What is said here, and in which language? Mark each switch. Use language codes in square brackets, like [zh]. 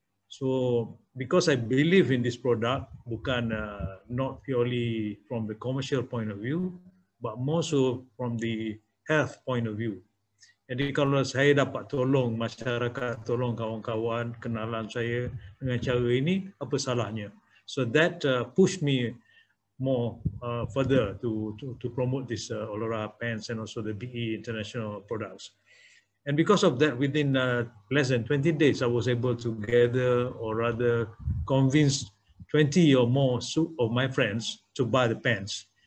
[en] So because I believe in this product, bukan not purely from the commercial point of view, but more so from the health point of view. [ms] Jadi kalau saya dapat tolong masyarakat, tolong kawan-kawan, kenalan saya dengan cara ini, apa salahnya? [en] So that pushed me more further to promote this Aulora Pants and also the BE International products. And because of that, within less than 20 days, I was able to gather or rather convince 20 or more of my friends to buy the pants.